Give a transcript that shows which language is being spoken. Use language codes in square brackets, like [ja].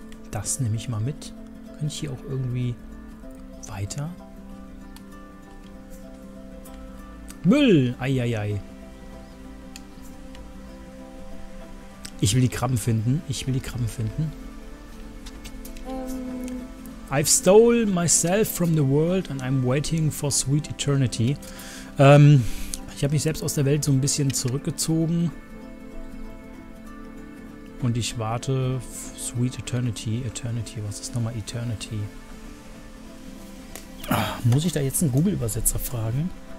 [de] Das nehme ich mal mit. Kann ich hier auch irgendwie weiter? Müll! Eieiei. Ich will die Krabben finden. Ich will die Krabben finden. [en] I've stole myself from the world and I'm waiting for sweet eternity. [de] Ich habe mich selbst aus der Welt so ein bisschen zurückgezogen. Und ich warte. [en] Sweet Eternity. Eternity. [de] Was ist nochmal Eternity? Ach, muss ich da jetzt einen Google-Übersetzer fragen?